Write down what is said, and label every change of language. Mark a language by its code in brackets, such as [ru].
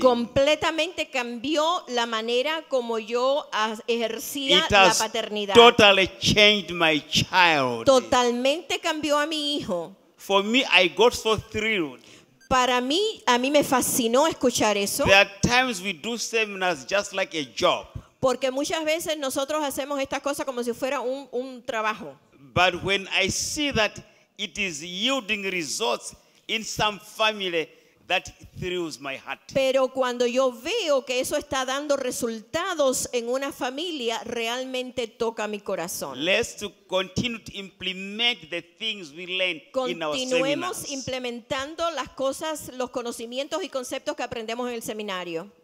[es] Completamente cambió la manera como yo ejercía [en] it [es] la [en] has [es] paternidad. [en] Totally changed my child. [es] Totalmente cambió a mi hijo. [en] For me, I got so thrilled. [es] Para mí, a mí me fascinó escuchar eso. [en] There are times we do seminars just like a job. [es] Porque muchas veces nosotros hacemos estas cosas como si fuera un trabajo. [en] But when I see that it is yielding results in some family, that thrills my heart. [es] Pero cuando yo veo que eso está dando resultados en una familia, realmente toca mi corazón. [en] Let's to continue to implement the things we learn in our seminars. [es] Continuemos implementando las cosas, los conocimientos y conceptos que aprendemos en el seminario.